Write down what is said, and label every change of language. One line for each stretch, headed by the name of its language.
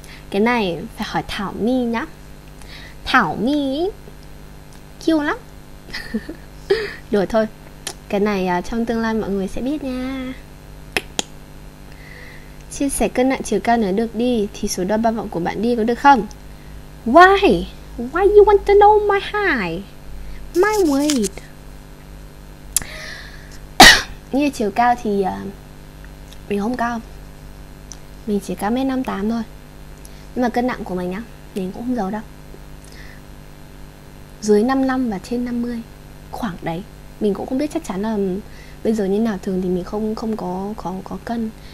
Vietnamese: Cái này phải hỏi Thảo My nhá. Thảo My kêu lắm. Đùa thôi. Cái này trong tương lai mọi người sẽ biết nha. Chia sẻ cân nặng chiều cao nữa được đi, thì số đo ba vọng của bạn đi có được không?
English: Why? Why you want to know my height? My weight?
Vietnamese: Như chiều cao thì mình không cao. Mình chỉ cao 1m58 thôi. Nhưng mà cân nặng của mình nhá, mình cũng không giấu đâu. Dưới 55 và trên 50 khoảng đấy. Mình cũng không biết chắc chắn là bây giờ như nào, thường thì mình không không có có cân.